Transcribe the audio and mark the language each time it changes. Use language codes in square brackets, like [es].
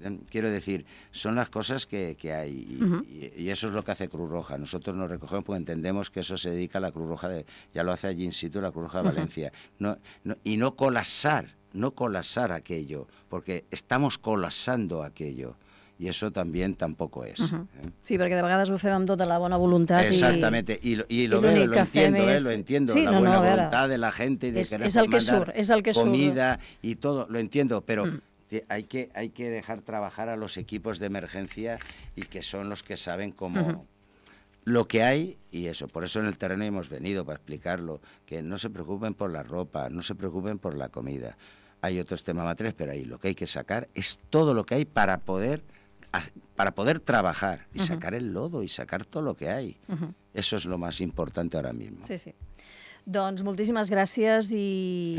[es] Quiero decir, son las cosas que hay y eso es lo que hace Cruz Roja. Nosotros nos recogemos porque entendemos que eso se dedica a la Cruz Roja, ya lo hace allí in situ la Cruz Roja de Valencia. No colapsar aquello, porque estamos colapsando aquello y eso también tampoco es. [ca] Sí, porque de vegades ho fem amb tota la bona voluntat. [es] Exactamente, lo entiendo, sí, la voluntad de la gente y de querer es el que surge, comida y todo, lo entiendo, pero... Hay que dejar trabajar a los equipos de emergencia y que son los que saben cómo lo que hay y eso. Por eso en el terreno hemos venido para explicarlo, que no se preocupen por la ropa, no se preocupen por la comida. Hay otros temas materiales, pero ahí lo que hay que sacar es todo lo que hay para poder trabajar y sacar el lodo y sacar todo lo que hay. Eso es lo más importante ahora mismo. Sí, sí. [ca] Doncs moltíssimes gràcies i...